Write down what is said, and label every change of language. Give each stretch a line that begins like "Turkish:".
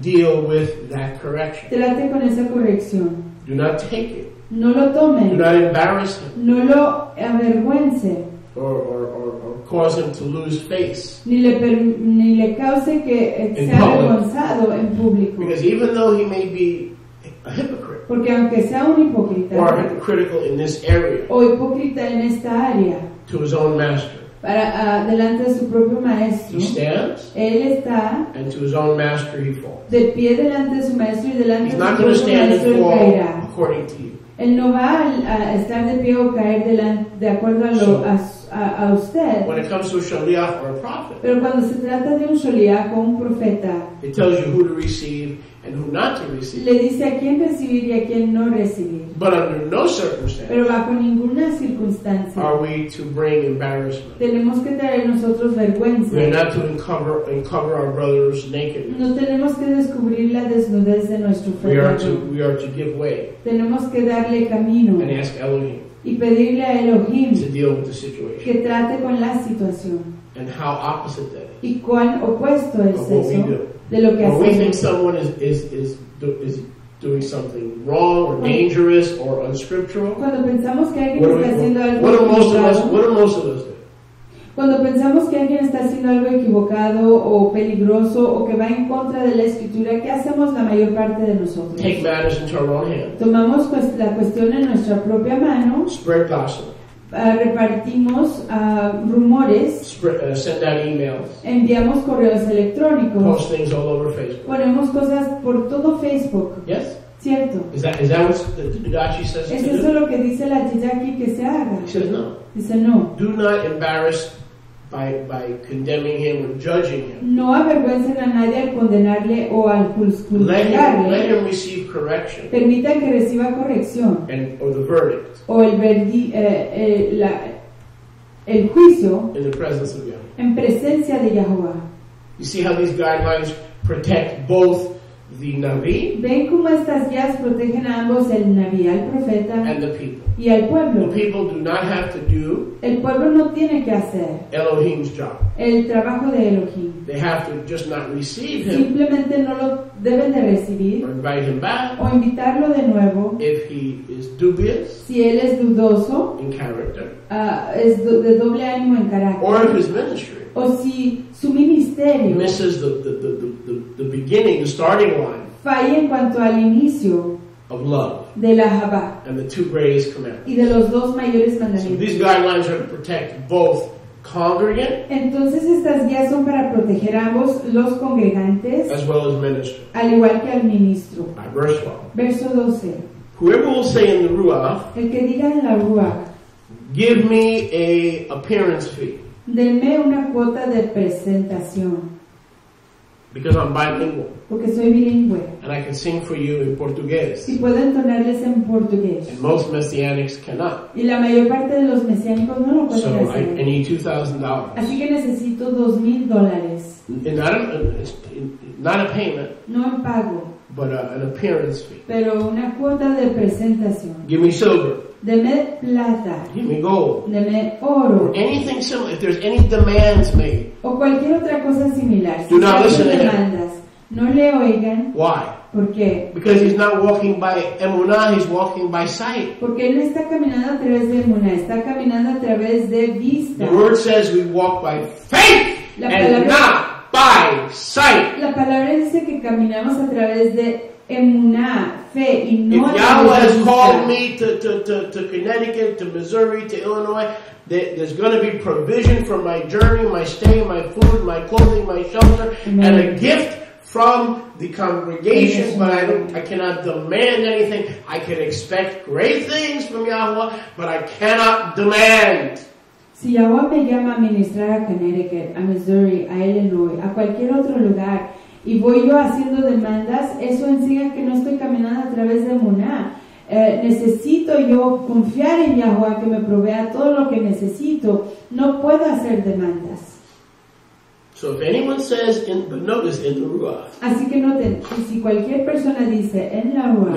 English: deal with that correction.
Spanish: Trate con esa corrección.
English: Do not take it.
Spanish: No lo tome.
English: Do not embarrass him.
Spanish: No lo avergüence.
English: Or cause him to lose face.
Spanish: Ni le cause que sea avergonzado en público.
English: Because even though he may be a hypocrite.
Spanish: Porque aunque sea un hipócrita.
English: Or hypocritical in this area.
Spanish: O hipócrita en esta área.
English: To his own master.
Spanish: Para delante de su propio maestro.
English: He stands.
Spanish: Él está.
English: And to his own master he falls.
Spanish: De pie delante de su maestro y delante de su propio maestro caerá.
English: He's not going to stand and fall according to you.
Spanish: Él no va a estar de pie o caer de acuerdo a lo a usted.
English: When it comes to a shaliach or a prophet,
Spanish: pero cuando se trata de un shaliach o un profeta,
English: it tells you who to receive and who not to receive.
Spanish: Le dice a quién recibir y a quién no recibir.
English: But under no circumstance.
Spanish: Pero bajo ninguna circunstancia.
English: Are we to bring embarrassment?
Spanish: Tenemos que traer nosotros vergüenza.
English: We are not to uncover our brother's nakedness.
Spanish: No tenemos que descubrir la desnudez de nuestro fraterno.
English: We are to give way.
Spanish: Tenemos que darle camino.
English: And ask Elohim.
Spanish: Y pedirle a Elohim
English: to deal with the situation.
Spanish: Que trate con la situación.
English: And how opposite that is.
Spanish: Y cuán opuesto es
English: of what
Spanish: eso
English: we do.
Spanish: De lo que
English: when
Spanish: hacemos.
English: We think someone is doing something wrong or dangerous or unscriptural.
Spanish: Cuando pensamos que alguien está haciendo algo
English: what do most of us do?
Spanish: Cuando pensamos que alguien está haciendo algo equivocado o peligroso o que va en contra de la escritura, ¿qué hacemos la mayor parte de nosotros?
English: Take matters into our own hands.
Spanish: Tomamos la cuestión en nuestra propia mano.
English: Spread gossip.
Spanish: Repartimos rumores.
English: Send out emails.
Spanish: Enviamos correos electrónicos.
English: Post things all over Facebook.
Spanish: Ponemos cosas por todo Facebook.
English: Yes.
Spanish: Cierto.
English: Is that what the Didache says?
Spanish: ¿Es eso lo que dice la Didache que se haga?
English: He says no.
Spanish: Dice no.
English: Do not embarrass by condemning him or judging him.
Spanish: No avergüencen a nadie al condenarle o al juzgarle.
English: Let him receive correction.
Spanish: Permita que reciba corrección.
English: Or the verdict.
Spanish: O el juicio.
English: In the presence of Yahweh.
Spanish: En presencia de Yahweh.
English: You see how these guidelines protect both the Navi.
Spanish: Ven cómo estas guías protegen a ambos, el Navi, al profeta.
English: And the people.
Spanish: Y al pueblo.
English: The people do not have to do.
Spanish: El pueblo no tiene que hacer.
English: Elohim's job.
Spanish: El trabajo de Elohim.
English: They have to just not receive him.
Spanish: Simplemente no lo deben de recibir.
English: Or invite him back.
Spanish: O invitarlo de nuevo.
English: If he is dubious.
Spanish: Si él es dudoso.
English: In character.
Spanish: Es de doble ánimo en carácter.
English: Or if his ministry.
Spanish: O si su ministerio.
English: Misses the beginning, the starting line.
Spanish: Falla en cuanto al inicio.
English: Of love.
Spanish: De la Jabá.
English: And the two greatest commandments.
Spanish: Y de los dos mayores mandamientos.
English: So these guidelines are to protect both congregant.
Spanish: Entonces estas guías son para proteger a ambos los congregantes.
English: As well as ministry.
Spanish: Al igual que al ministro.
English: By verse 12.
Spanish: Verso 12.
English: Whoever will say in the Ruach.
Spanish: El que diga en la Ruach.
English: Give me a appearance fee.
Spanish: Denme una cuota de presentación.
English: Because I'm bilingual.
Spanish: Porque soy bilingüe.
English: And I can sing for you in Portuguese.
Spanish: Y puedo entonarles en portugués.
English: And most messianics cannot.
Spanish: Y la mayor parte de los mesiánicos no lo pueden
English: so
Spanish: hacer.
English: So I need $2,000.
Spanish: Así que necesito $2,000.
English: Not a payment.
Spanish: No en pago.
English: But an appearance fee.
Spanish: Pero una cuota de presentación.
English: Give me silver.
Spanish: Deme plata.
English: Give me gold.
Spanish: Deme oro.
English: Or anything similar. If there's any demands made.
Spanish: O cualquier otra cosa similar.
English: Do not listen to him.
Spanish: No le oigan.
English: Why?
Spanish: ¿Por qué?
English: Because he's not walking by emunah, he's walking by sight.
Spanish: Porque él no está caminando a través de emunah, está caminando a través de vista.
English: The word says we walk by faith and not by sight.
Spanish: La palabra dice que caminamos a través de emunah, fe, y no a través de vista.
English: If Yahweh has called me to Connecticut, to Missouri, to Illinois, there's going to be provision for my journey, my stay, my food, my clothing, my shelter, amen, and a gift from the congregation, but I cannot demand anything. I can expect great things from Yahweh, but I cannot demand.
Spanish: Si Yahweh me llama a ministrar a Connecticut, a Missouri, a Illinois, a cualquier otro lugar, y voy yo haciendo demandas, eso enseña que no estoy caminando a través de Muná. Necesito yo confiar en Yahweh que me provea todo lo que necesito. No puedo hacer demandas.
English: So if anyone says, but notice in the Ruach.
Spanish: Así que noten, si cualquier persona dice en la Ruach.